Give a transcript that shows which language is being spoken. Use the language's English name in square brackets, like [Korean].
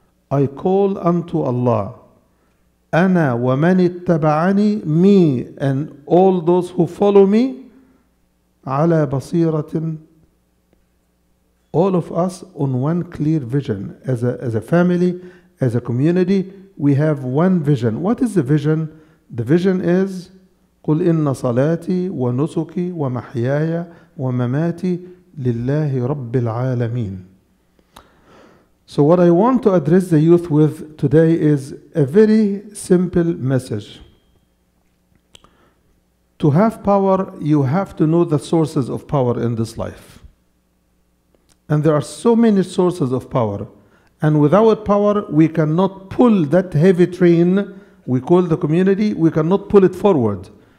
[English] I call unto Allah. [Arabic] أَنَا وَمَنِ اتَّبَعَنِي, [English] me and all those who follow me, [Arabic] عَلَى بَصِيرَةٍ, [English] all of us on one clear vision. As a family, as a community, we have one vision. What is the vision? The vision is, [Arabic] قُلْ إِنَّ صَلَاتِي وَنُسُكِي وَمَحْيَايَ وَمَمَاتِي لِلَّهِ رَبِّ الْعَالَمِينَ. [English] So what I want to address the youth with today is a very simple message. To have power, you have to know the sources of power in this life. And there are so many sources of power. And without power, we cannot pull that heavy train we call the community, we cannot pull it forward.